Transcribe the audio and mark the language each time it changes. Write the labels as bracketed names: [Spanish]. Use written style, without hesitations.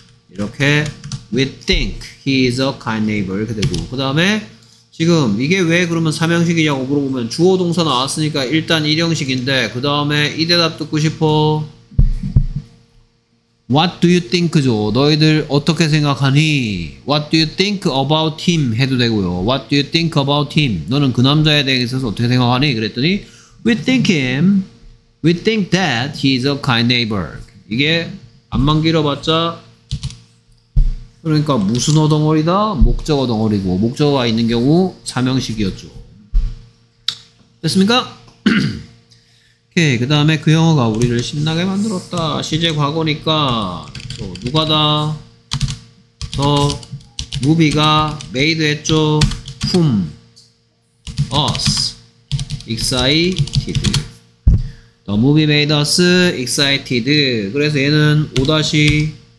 [Korean] 이렇게 [English] we think he is a kind neighbor [Korean] 이렇게 되고 그 다음에 지금 이게 왜 그러면 3형식이냐고 물어보면 주어 동사 나왔으니까 일단 1형식인데 그 다음에 이 대답 듣고 싶어 [English] What do you think [Korean] 죠? 너희들 어떻게 생각하니? [English] What do you think about him? [Korean] 해도 되고요. [English] What do you think about him? [Korean] 너는 그 남자에 대해서 어떻게 생각하니? [English] 그랬더니 We think him. We think that he is a kind neighbor. [Korean] 이게 앞만 길어봤자 그러니까 무슨 어덩어리다? 목적어 덩어리고 목적어가 있는 경우 3형식이었죠. 됐습니까? 오케이 그 다음에 그 영화가 우리를 신나게 만들었다 시제 과거니까 그래서 누가 다 더 무비가 메이드 했죠 whom us excited [English] the movie made us excited [Korean] 그래서 얘는 5-1